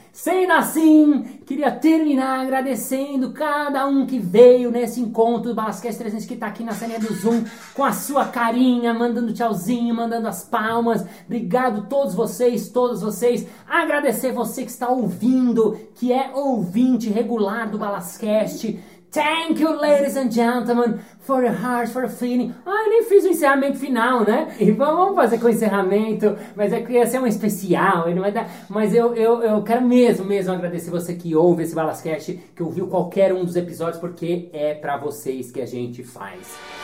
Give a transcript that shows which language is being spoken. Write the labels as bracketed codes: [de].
[pt] Sendo assim, queria terminar agradecendo cada um que veio nesse encontro do Balascast 300, que tá aqui na cena do Zoom, com a sua carinha, mandando tchauzinho, mandando as palmas. Obrigado todos vocês, todas vocês. Agradecer você que está ouvindo, que é ouvinte regular do Balascast. [en] Thank you, ladies and gentlemen, for your heart, for your feeling. [pt] Ah, eu nem fiz o encerramento final, né? E vamos fazer com o encerramento, mas é que ia ser um especial, ele vai dar. Mas eu quero mesmo agradecer você que ouve esse Balascast, que ouviu qualquer um dos episódios, porque é pra vocês que a gente faz.